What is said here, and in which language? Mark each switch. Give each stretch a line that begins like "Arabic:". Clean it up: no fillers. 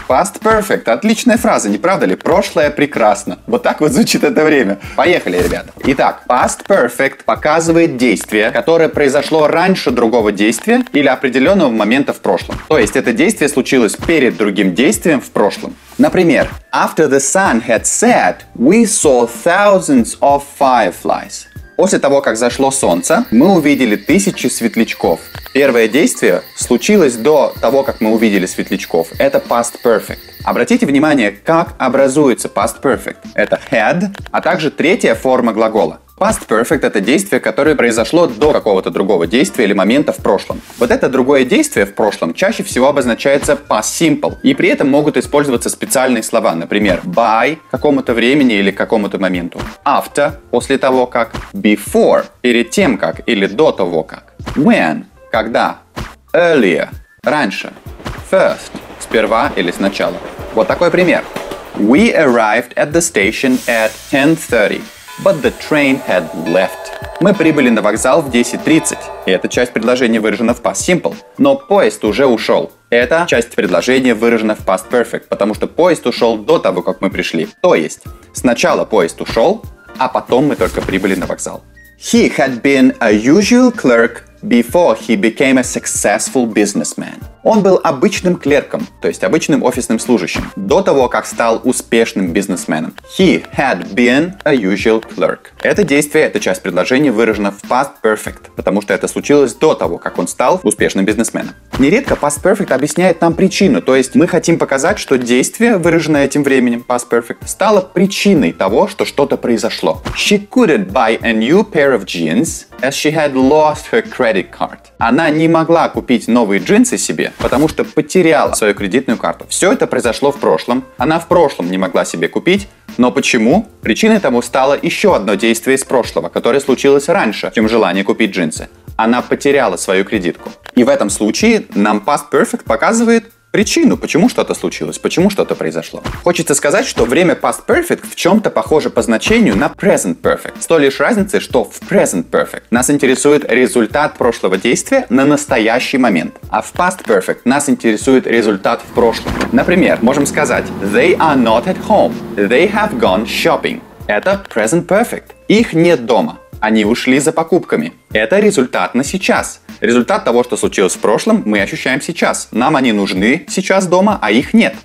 Russian: Past perfect — отличная фраза, не правда ли? Прошлое прекрасно. Вот так вот звучит это время. Поехали, ребята. Итак, past perfect показывает действие, которое произошло раньше другого действия или определенного момента в прошлом. То есть это действие случилось перед другим действием в прошлом. Например,
English: after the sun had set, we saw thousands of fireflies.
Russian: После того, как зашло солнце, мы увидели тысячи светлячков. Первое действие случилось до того, как мы увидели светлячков. Это past perfect. Обратите внимание, как образуется past perfect. Это had, а также третья форма глагола. Past perfect — это действие, которое произошло до какого-то другого действия или момента в прошлом. Вот это другое действие в прошлом чаще всего обозначается past simple, и при этом могут использоваться специальные слова, например, by — какому-то времени или какому-то моменту, after — после того как, before — перед тем как или до того как, when — когда, earlier — раньше, first — сперва или сначала. Вот такой пример.
English: We arrived at the station at 10:30. But the train had left.
Russian: Мы прибыли на вокзал в 10:30, и эта часть предложения выражена в past simple. Но поезд уже ушел. Эта часть предложения выражена в past perfect, потому что поезд ушел до того, как мы пришли. То есть, сначала поезд ушел, а потом мы только прибыли на вокзал.
English: He had been a usual clerk before he became a successful businessman.
Russian: Он был обычным клерком, то есть обычным офисным служащим, до того, как стал успешным бизнесменом.
English: He had been a usual clerk.
Russian: Это действие, эта часть предложения выражена в past perfect, потому что это случилось до того, как он стал успешным бизнесменом. Нередко past perfect объясняет нам причину, то есть мы хотим показать, что действие, выраженное этим временем, past perfect, стало причиной того, что что-то произошло.
English: She couldn't buy a new pair of jeans as she had lost her credit card.
Russian: Она не могла купить новые джинсы себе, потому что потеряла свою кредитную карту. Все это произошло в прошлом. Она в прошлом не могла себе купить. Но почему? Причиной тому стало еще одно действие из прошлого, которое случилось раньше, чем желание купить джинсы. Она потеряла свою кредитку. И в этом случае нам past perfect показывает причину, почему что-то случилось, почему что-то произошло. Хочется сказать, что время past perfect в чем-то похоже по значению на present perfect. С той лишь разницей, что в present perfect нас интересует результат прошлого действия на настоящий момент. А в past perfect нас интересует результат в прошлом. Например, можем сказать
English: they are not at home. They have gone shopping.
Russian: Это present perfect. Их нет дома. Они ушли за покупками. Это результат на сейчас. Результат того, что случилось в прошлом, мы ощущаем сейчас. Нам они нужны сейчас дома, а их нет.